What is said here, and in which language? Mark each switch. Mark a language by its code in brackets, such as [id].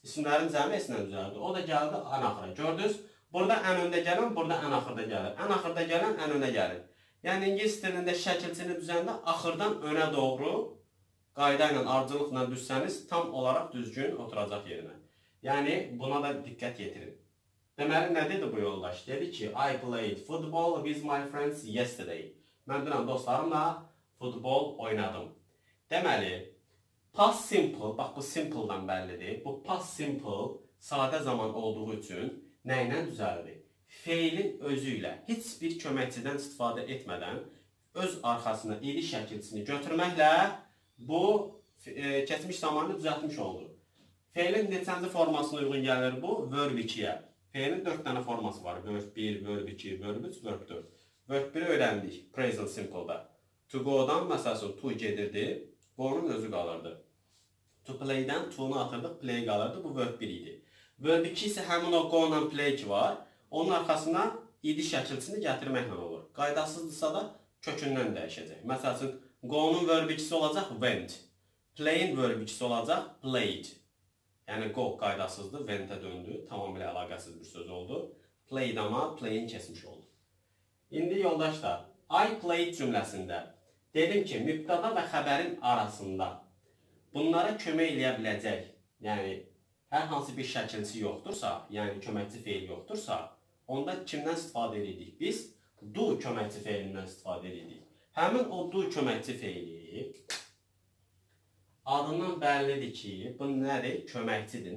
[az] İsimlərin cəmi S-lə düzəldi. O da gəldi ən axıra. Gördünüz? Burada ən öndə gələn, burada ən axırda gəlir. Ən axırda gələn ən önə gəlir. Yəni ingilis dilində şəkilçini düzəndə axırdan önə doğru qayda ilə, ardıcılıqla düzsəniz tam olaraq düzgün oturacaq yerinə. Yəni buna da diqqət yetirin. Deməli nə dedi bu yoldaş? Dedi ki, [en] I played football with my friends yesterday. [az] Mən dünən dostlarımla futbol oynadım. Deməli past simple, bax bu simple-dan bəllidir. Bu past simple sadə zaman olduğu üçün nə ilə düzəldir? Feilin özü ilə, heç bir köməkçidən istifadə etmədən öz arxasına iri şəkilçisini götürməklə bu keçmiş zamanı düzəltmiş olur. Feilin neçənci formasına uyğun gəlir bu? Verb 2-yə. Feilin 4 dənə forması var. Verb 1, verb 2, verb 3, verb 4. Verb 1-i öyrəndik present simple-da. To go-dan məsələn to gedirdi, go-nun özü qalırdı. To play-dən to-nu atırdıq, play qalırdı. Bu verb 1 idi. Verb 2 isə həmin o go-la play ki var, onun arxasına idi şəkilçisini gətirməklə olur. Qaydasızdırsa da kökündən dəyişəcək. Məsələn, go-nun verb 2-si olacaq went. Play-in verb 2-si olacaq played. Yəni go qaydasızdır, went-ə döndü, tamamilə əlaqəsiz bir söz oldu. Played amma play-in kəsmiş oldu. İndi yoldaşlar, I played cümləsində dedim ki, mübtəda və xəbərin arasında bunlara kömək eləyə biləcək, yəni hər hansı bir şəkilçi yoxdursa, yəni köməkçi feil yoxdursa, onda kimdən istifadə edirdik? Biz do köməkçi feilindən istifadə edirdik. Həmin o do köməkçi feili adından bəllidir ki, bu nədir? Köməkçidir.